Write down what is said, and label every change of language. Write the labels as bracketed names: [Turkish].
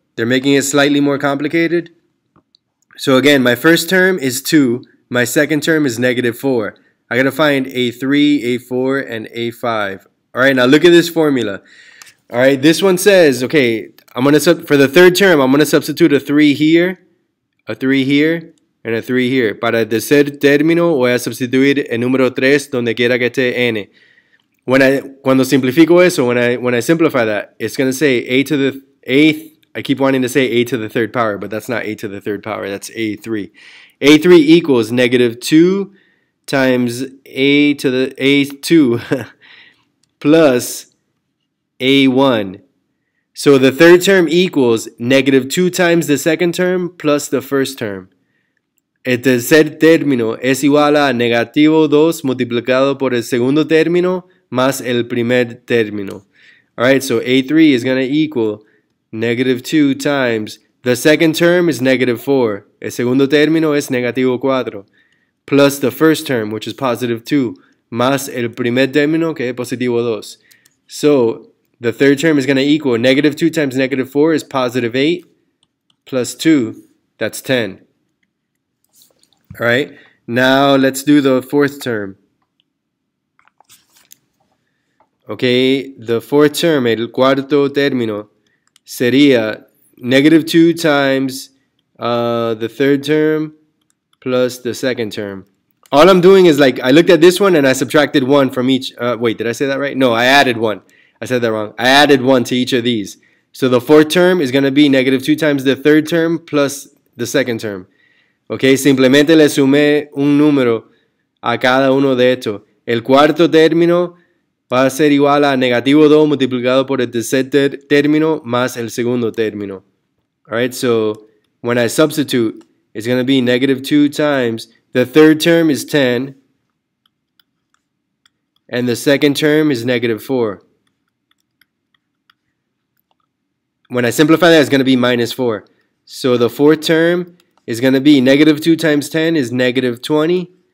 [English] They're making it slightly more complicated. So again, my first term is 2. My second term is negative 4. I got to find A3, A4, and A5. All right, now look at this formula. All right, this one says, okay, I'm going to for the third term, I'm going to substitute a 3 here, a 3 here, and a 3 here. [Spanish] Para el tercer término, voy a sustituir el número 3 donde quiera que esté n. Cuando simplifico eso, [English] when I simplify that, it's going to say A to the third power, but that's not A to the third power, that's A3. A3 equals negative 2 times A2 plus A1. So the third term equals negative 2 times the second term plus the first term. [Spanish] El tercer término es igual a negativo 2 multiplicado por el segundo término más el primer término. [English] All right, so A3 is going to equal negative 2 times the second term is negative 4. [Spanish] El segundo término es negativo 4 [English] plus the first term, which is positive 2, [Spanish] más el primer término, que es positivo 2. [English] So the third term is going to equal negative 2 times negative 4 is positive 8 plus 2, that's 10. All right, now let's do the fourth term. Okay, the fourth term, [Spanish] el cuarto término, sería [English] negative 2 times the third term plus the second term. All I'm doing is like, I looked at this one and I subtracted 1 from each. Wait, did I say that right? No, I added 1. I said that wrong. I added 1 to each of these. So the fourth term is going to be negative 2 times the third term plus the second term. [Spanish] Okay, simplemente le sumé un número a cada uno de estos. El cuarto término va a ser igual a negativo 2 multiplicado por el tercer término más el segundo término. [English] All right, so when I substitute, it's going to be negative 2 times. The third term is 10. And the second term is negative 4. When I simplify that, it's going to be minus 4. So the fourth term is going to be negative 2 times 10 is negative 20.